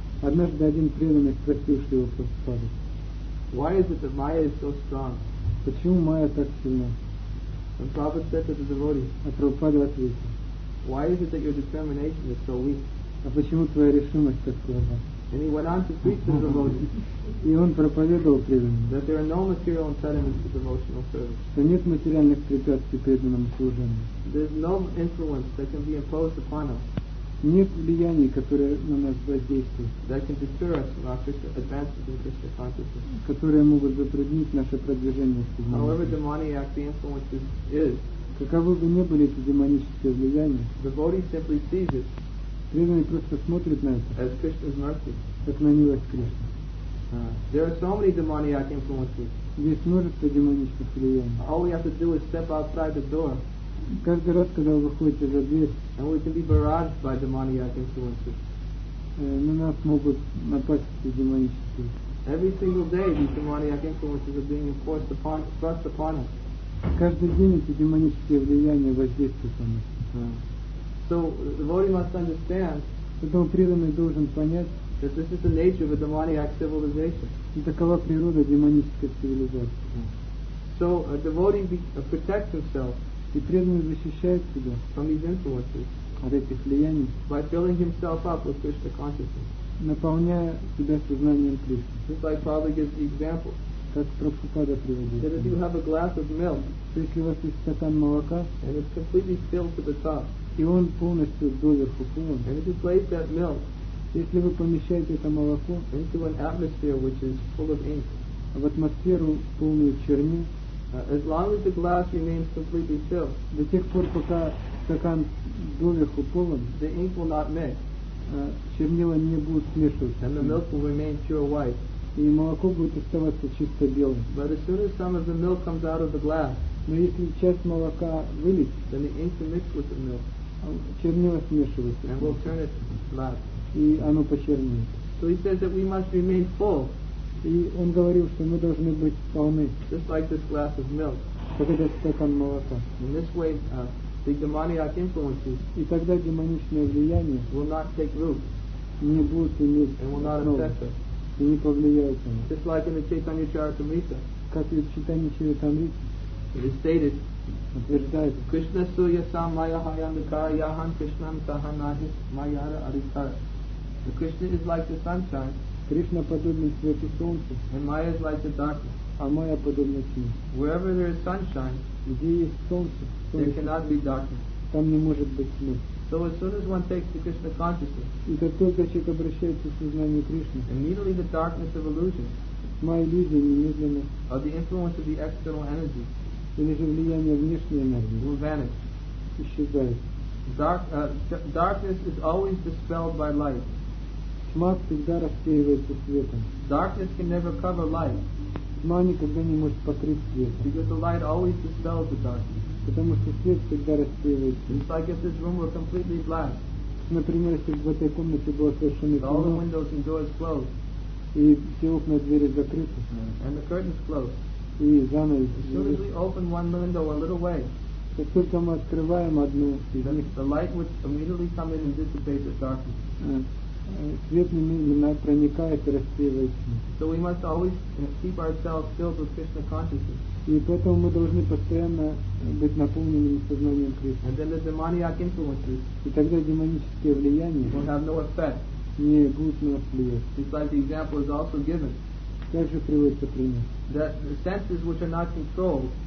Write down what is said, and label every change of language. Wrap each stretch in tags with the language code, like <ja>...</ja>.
<ru>однажды один преданный спросил Шрилу Прабхупаду,</ru> <en>Why is it that Maya is so strong?</en> <ru>Почему Maya так сильна?</ru> <en>And Prabhupada said to the devotees,</en> <ru>А Прабхупада ответил,</ru> <en>Why is it that your determination is so weak?</en> <ru>А почему твоя решимость так слаба?</ru> <en>And he went on to preach to the devotees.</en> <ru>И он проповедовал преданным.</ru> <en>That there are no material impediments to devotional service.</en> <ru>Что нет материальных препятствий преданному служению.</ru> <en>There's no influence that can be imposed upon us.</en> <ru>Нет влияния, которое на нас воздействует.</ru> <en>That can deter us from our Krishna advances in Krishna consciousness.</en> <ru>Которые могут затруднить наше продвижение в сознании.</ru> <en>However demoniac the influence is.</en> <ru>Каковы бы ни были эти демонические влияния.</ru> <en>The devotee simply sees it.</en> <ru>Преданный просто смотрит на это.</ru> <en>As Krishna's mercy.</en> <ru>Как на милость Кришны.</ru> <en>There are so many demoniac influences.</en> <ru>Здесь множество демонических влияний.</ru> <en>All we have to do is step outside the door.</en> <ru>Каждый раз, когда вы выходите за дверь,</ru> <en>and we can be barraged by demoniac influences.</en> <ru>На нас могут напасть эти демонические.</ru> <en>Every single day these demoniac influences are being enforced upon, thrust upon us.</en> <ru>Каждый день эти демонические влияния воздействуют на нас.</ru> <en>So the devotee must understand.</en> <ru>Поэтому преданный должен понять.</ru> <en>That this is the nature of a demoniac civilization.</en> <ru>И такова природа демонической цивилизации.</ru> <en>So a devotee protects himself.</en> <ru>И преданный защищает себя.</ru> <en>From these influences.</en> <ru>От этих влияний.</ru> <en>By filling himself up with Krishna consciousness.</en> <ru>Наполняя себя сознанием Кришны.</ru> <en>Just like Prabhupada gives the example.</en> <ru>Как Прабхупада приводит.</ru> <en>That if you have a glass of milk.</en> <ru>То если у вас есть стакан молока.</ru> <en>And it's completely filled to the top.</en> <ru>И он полностью доверху полон.</ru> <en>And if you place that milk.</en> <ru>Если вы помещаете это молоко</ru> <en>into an atmosphere which is full of ink,</en> <ru>в атмосферу, полную чернил,</ru> <en>as long as the glass remains completely filled,</en> <ru>до тех пор, пока стакан доверху полон,</ru> <en>the ink will not mix,</en> <ru>чернила не будут смешиваться,</ru> <en>and the milk will remain pure white,</en> <ru>и молоко будет оставаться чисто белым.</ru> <en>But as soon as some of the milk comes out of the glass,</en> <ru>но если часть молока вылить,</ru> <en>then the ink will mix with the milk,</en> <ru>чернила смешиваются,</ru> <en>and will turn it black.</en> <ru>И оно почернеет.</ru> <en>So he says that we must remain full.</en> <ru>И он говорил, что мы должны быть полны.</ru> <en>Just like this glass of milk.</en> <ru>Как этот стакан молока.</ru> <en>In this way, the demoniac influences.</en> <ru>И тогда демоничное влияние</ru> <en>will not take root.</en> <ru>Не будет иметь.</ru> <en>And will not affect us.</en> <ru>И не повлияет на нас.</ru> <en>Just like in the Chaitanya Charitamrita.</en> <ru>Как и в Чайтанья Чаритамрите.</ru> <en>It is stated.</en> <ru>Утверждается.</ru> <sa>Krishna Surya Samaya Hayandakara Yahan Krishnam Sahanahis Mayara Arikara.</sa> <en>So Krishna is like the sunshine.</en> <ru>Krishna подобен свету солнца.</ru> <en>And Maya is like the darkness.</en> <ru>А Maya подобна тьме.</ru> <en>Wherever there is sunshine,</en> <ru>где есть солнце,</ru> <en>there cannot be darkness.</en> <ru>Там не может быть тьмы.</ru> <en>So as soon as one takes the Krishna consciousness,</en> <ru>и как только человек обращается в сознание Кришны,</ru> <en>immediately the darkness of illusion,</en> <ru>Maya иллюзия немедленно,</ru> <en>or the influence of the external energy,</en> <ru>или же влияние внешней энергии,</ru> <en>will vanish.</en> <ru>Исчезает.</ru> <en>Darkness is always dispelled by light.</en> <ru>Тьма всегда рассеивается светом.</ru> <en>Darkness can never cover light.</en> <ru>Тьма никогда не может покрыть свет.</ru> <en>Because the light always dispels the darkness.</en> <ru>Потому что свет всегда рассеивается.</ru> <en>It's like if this room were completely black.</en> <ru>Например, если бы в этой комнате было совершенно темно.</ru> <en>All the windows and doors closed.</en> <ru>И все окна и двери закрыты.</ru> <en>And the curtains closed.</en> <ru>И занавес.</ru> <en>As soon as we open one window a little way.</en> <ru>Как только мы открываем одну из них.</ru> <en>The light would immediately come in and dissipate the darkness.</en> <ru>Свет немедленно проникает и рассеивается.</ru> <en>So we must always keep ourselves filled with Krishna consciousness.</en> <ru>И поэтому мы должны постоянно быть наполненными сознанием Кришны.</ru> <en>And then the demoniac influences.</en> <ru>И тогда демонические влияния</ru> <en>will have no effect.</en> <ru>Не будут на нас влиять.</ru> <en>Just like the example is also given.</en> <ru>Также приводится пример.</ru> <en>That the senses which are not controlled.</en>